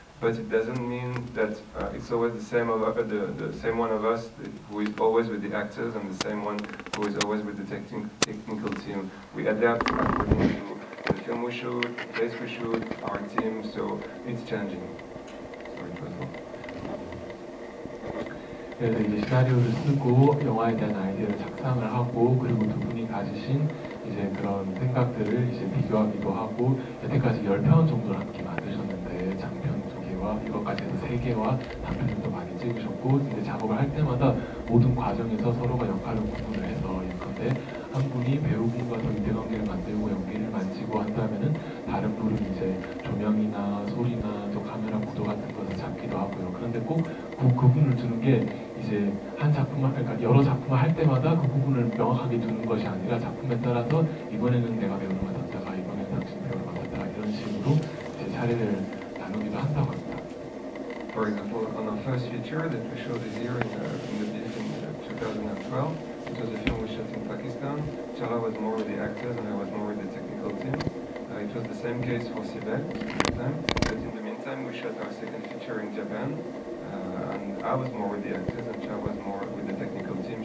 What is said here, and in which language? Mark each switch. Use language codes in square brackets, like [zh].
[en] but it doesn't mean that it's always the same of the same one of us who is always with the actors and the same one who is always with the technical team. We adapt according to the film we shoot, the place we shoot, our team, so it's changing. Sorry, Basil. [ko] 그래서 이제 시나리오를 쓰고 영화에 대한 아이디어를 작성을 하고 그리고 두 분이 가지신 이제 그런 생각들을 이제 비교하기도 하고 여태까지 10편 정도를 함께 만드셨는데 장편 두 개와 이것까지 해서 세 개와 단편들도 많이 찍으셨고 이제 작업을 할 때마다 모든 과정에서 서로가 역할을 구분을 해서 있는데 한 분이 배우분과 더 인대관계를 만들고 연기를 만지고 한다면은 다른 분은 이제 조명이나 소리나 또 카메라 구도 같은 것을 잡기도 하고요. 그런데 꼭 그 부분을 두는 게 이제 한 작품만, 그러니까 여러 작품을 할 때마다 그 부분을 명확하게 두는 것이 아니라 작품에 따라서 이번에는 내가 배우를 맡았다가 이번에는 당신 배우를 맡았다가 이런 식으로 이제 차례를 나누기도 한다고 합니다. [en] For example, on our first feature that we showed this year in 2012, it was a film we shot in Pakistan. Chala was more with the actors and I was more with the technical team. It was the same case for Sibel at the time. But in the meantime, we shot our second feature in Japan. And I was more with the actors and Chala was more with the technical team.